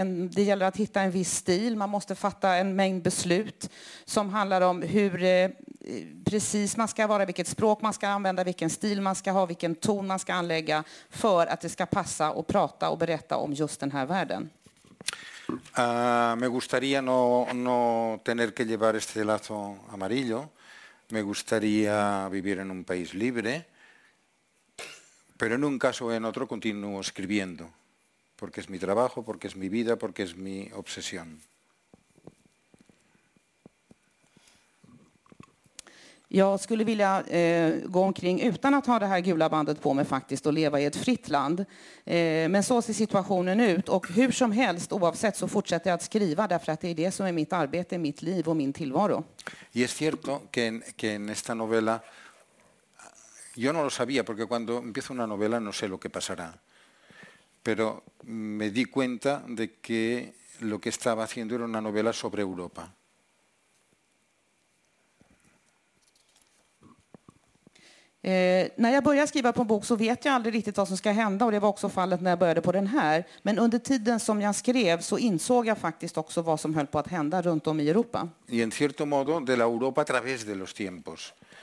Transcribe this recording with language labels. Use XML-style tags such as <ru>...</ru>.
<sv>Det gäller att hitta en viss stil. Man måste fatta en mängd beslut som handlar om hur precis man ska vara, vilket språk man ska använda, vilken stil man ska ha, vilken ton man ska anlägga för att det ska passa och prata och berätta om just den här världen.</sv> <es>Me gustaría no tener que llevar este lazo amarillo. Me gustaría vivir en un país libre. Pero en un caso o en otro continúo escribiendo, porque es mi trabajo, porque es mi vida, porque es mi obsesión.</es> <sv>Jag skulle vilja gå omkring utan att ha det här gula bandet på mig faktiskt och leva i ett fritt land. Men så ser situationen ut, och hur som helst, oavsett, så fortsätter jag att skriva, därför att det är det som är mitt arbete, mitt liv och min tillvaro.</sv> <es>Y es cierto que en esta novela yo no lo sabía, porque cuando empiezo una novela no sé lo que pasará. Pero me di cuenta de que lo que estaba haciendo era una novela sobre Europa.</es> <sv>När jag började skriva på en bok så vet jag aldrig riktigt vad som ska hända, och det var också fallet när jag började på den här. Men under tiden som jag skrev så insåg jag faktiskt också vad som höll på att hända runt om i Europa.</sv> <es>Y en cierto modo de la Europa a través de los tiempos.</es>